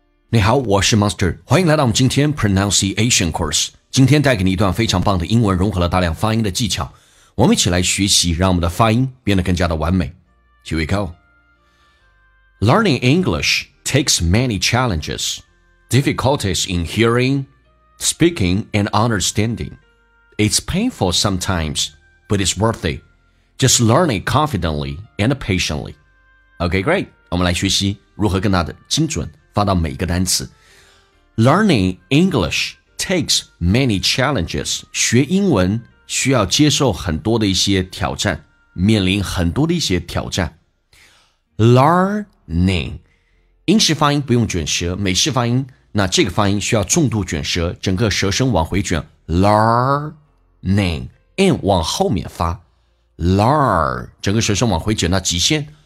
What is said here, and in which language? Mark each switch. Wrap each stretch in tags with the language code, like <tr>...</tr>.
<zh>你好，我是 Master， 欢迎来到我们今天 Pronunciation Course。今天带给你一段非常棒的英文，融合了大量发音的技巧，我们一起来学习，让我们的发音变得更加的完美。</zh> <en>Here we go. Learning English takes many challenges, difficulties in hearing, speaking and understanding. It's painful sometimes, but it's worth it. Just learn it confidently and patiently. Okay, great.</en> <zh>我们来学习如何更加的精准发到每一个单词。</zh> <en>Learning English takes many challenges.</en> <zh>学英文需要接受很多的一些挑战，面临很多的一些挑战。 Learning 英式发音不用卷舌，美式发音那这个发音需要重度卷舌，整个舌身往回卷。 Learning N 往后面发 Learn 整个舌身往回卷到极限。</zh>